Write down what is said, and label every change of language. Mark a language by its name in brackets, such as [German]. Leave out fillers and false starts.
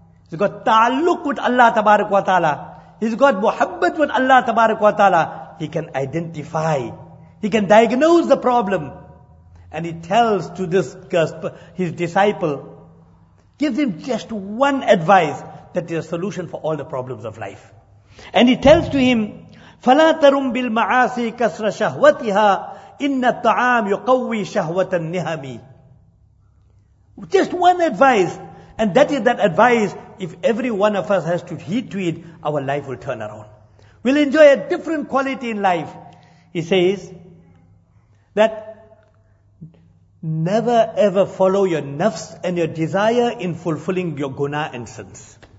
[English] He's got ta'alluq with Allah tabarak wa ta'ala. He's got muhabbat with Allah tabarak wa ta'ala. He can identify. He can diagnose the problem. And he tells to this his disciple, gives him just one advice that is a solution for all the problems of life. And he tells to him, [Arabic] فَلَا تَرُمْ بِالْمَعَاسِي كَسْرَ شَهْوَتِهَا إِنَّ الطَّعَامْ يُقَوِّي شَهْوَةَ النِّهَمِ. [English] Just one advice. And that is that advice, if every one of us has to heed to it, our life will turn around. We'll enjoy a different quality in life. He says that never ever follow your nafs and your desire in fulfilling your guna and sins.